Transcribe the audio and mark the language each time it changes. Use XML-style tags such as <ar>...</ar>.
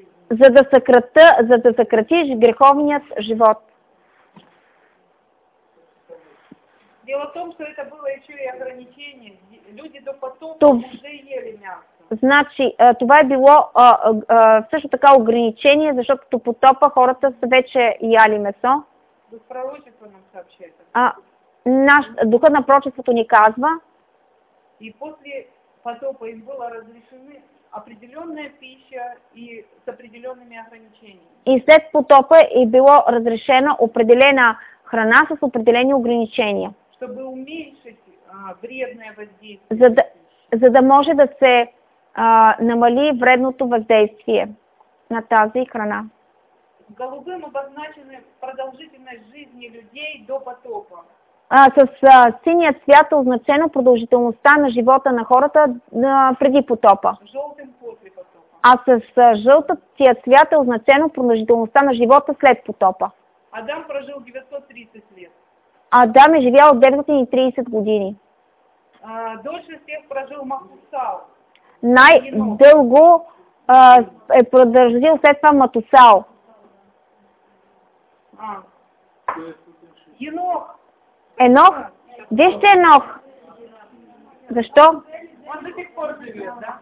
<bg>За да съкратиш греховният живот.</bg> <ru>Дело в том, что это было еще и ограничение. Люди до потопа уже ели мясо.</ru> <bg>Значи, това е било също така ограничение, защото до потопа хората са вече яли месо.</bg> <ru>Дух пророчества нам съобщает.</ru> <bg>Духът на пророчеството ни казва.</bg> <ru>И после потопа им было разрешено определенная пища и с определенными ограничениями.</ru> <bg>И след потопа и било разрешена определена храна с определени ограничения.</bg> <ru>Чтобы уменьшить вредное воздействие.</ru> <bg>За да може да се намали вредното въздействие на тази храна.</bg> <ru>Голубым обозначена продолжительность жизни людей до потопа.</ru> <bg>С синия цвят е означено продължителността на живота на хората преди потопа.</bg> <ru>Жълтим после потопа.</ru> <bg>А с жълтия цвят е означено продължителността на живота след потопа.</bg> <ru>Адам прожил 930 лет.</ru> <bg>Адам е живял 930 години.</bg> <ru>Дольше всех прожил Матусал.</ru> <bg>Най-дълго е продължил след това Матусал. Енох. Енох? Вижте Енох. Защо?</bg> <ru>Он до сих пор живет, да?</ru>